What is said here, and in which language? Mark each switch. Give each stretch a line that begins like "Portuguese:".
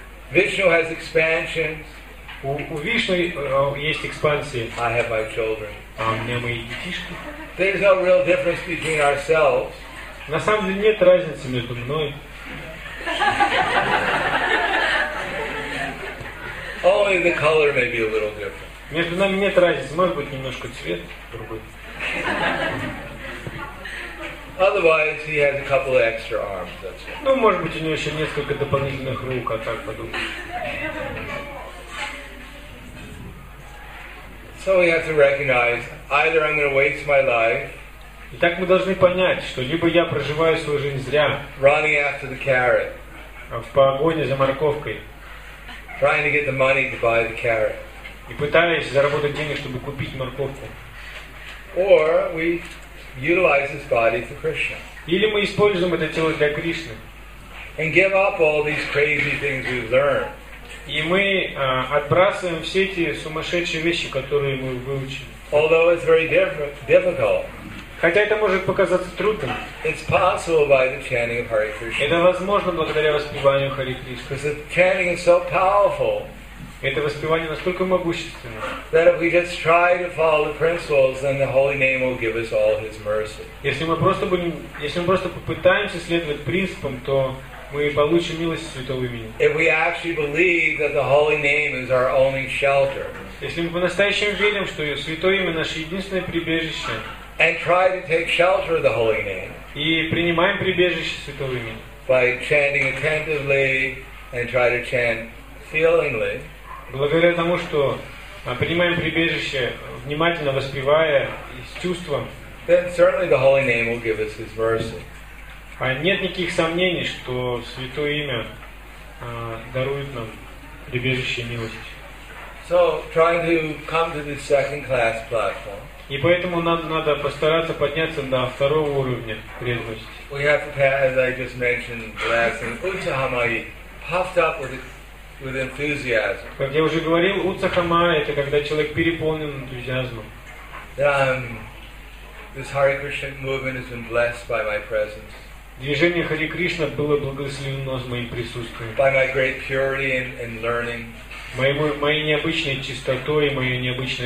English: Vishnu has expansions.
Russian: У Вишны есть экспансия.
English: I have my children.
Russian: А у меня мои детишки.
English: There is no real difference between ourselves.
Russian: На самом деле нет разницы между мной.
English: Only the color may be a little different.
Russian: Между нами нет разницы, может быть немножко цвет другой.
English: Otherwise, he has a couple of extra arms. That's it.
Russian: Ну, может быть, у него еще несколько дополнительных рук, а так подумать.
English: So we have to recognize either I'm going to waste my life.
Russian: Итак, мы должны понять, что либо я проживаю свою жизнь зря.
English: Running after the carrot.
Russian: В погоне за морковкой.
English: Trying to get the money to buy the carrot.
Russian: И пытаюсь заработать деньги, чтобы купить морковку.
English: Or we utilize this body for Krishna.
Russian: Или мы используем это тело для Кришны.
English: And give up all these crazy things we've learned.
Russian: И мы отбрасываем все эти сумасшедшие вещи, которые мы выучили.
English: Although it's very difficult.
Russian: Хотя это может показаться трудным.
English: It's possible by the chanting of Hare Krishna.
Russian: Это возможно благодаря воспеванию Харе Кришны.
English: Because the chanting is so powerful.
Russian: Это воспевание настолько могущественно.
English: That if we just try to follow the principles, then the holy name will give us all His mercy.
Russian: Если мы просто попытаемся следовать принципам, то мы получим милость Святого имени.
English: If we actually believe that the holy name is our only shelter.
Russian: Если мы по-настоящему верим, что Святое имя наше единственное прибежище.
English: And try to take shelter of the holy name.
Russian: И принимаем прибежище Святого имени.
English: By chanting attentively and try to chant feelingly.
Russian: Благодаря тому, что принимаем прибежище, внимательно воспевая и с чувством,
English: then certainly the holy name will give us His mercy.
Russian: А нет никаких сомнений, что Святое Имя дарует нам прибежище и милость.
English: So, trying to come to the second class platform.
Russian: И поэтому надо постараться подняться до второго уровня преданности.
English: We have to pass, as I just mentioned, last in Uttahamayi, puffed up with enthusiasm.
Russian: Как я уже говорил, уцахама — это когда человек переполнен энтузиазмом.
English: This Hare Krishna movement has been blessed by my presence.
Russian: Движение Хари Кришна было благословено с моим присутствием.
English: By my great purity and learning.
Russian: Моей необычной чистотой и моей необычной